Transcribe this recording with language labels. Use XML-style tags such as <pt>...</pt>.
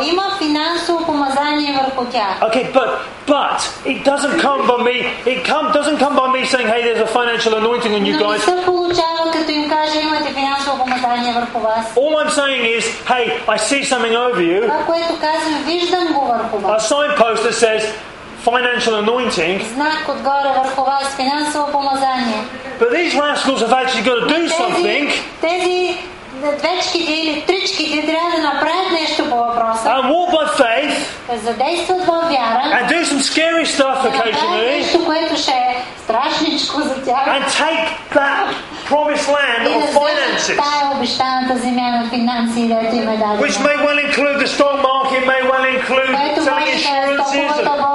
<bg>Има финансово помазание върху тях.</bg> <en>Okay, but it doesn't come by me. It doesn't come by me saying, hey, there's a financial anointing on you guys.</en> <bg>Но не се получава, като им кажа, имате финансово помазание върху вас.</bg> <en>All I'm saying is, hey, I see something over you.</en> <bg>Това, което казвам, виждам го върху вас.</bg> <en>A signpost that says financial anointing.</en> <bg>Знак отгоре върху вас, финансово помазание.</bg> <en>But these rascals have actually got to do something.</en> <bg>Тези двечките или тричките трябва да направят нещо по въпроса.</bg> <en>And walk by faith.</en> <bg>Задействат във вяра.</bg> <en>And do some scary stuff occasionally.</en> <bg>Нещо, което ще е страшничко за тях.</bg> <en>And take that promised land of finances.</en> <bg>Тая обещаната земя на финанси, да ти ме даде.</bg> <en>Which may well include the stock market, may well include selling insurances.</en>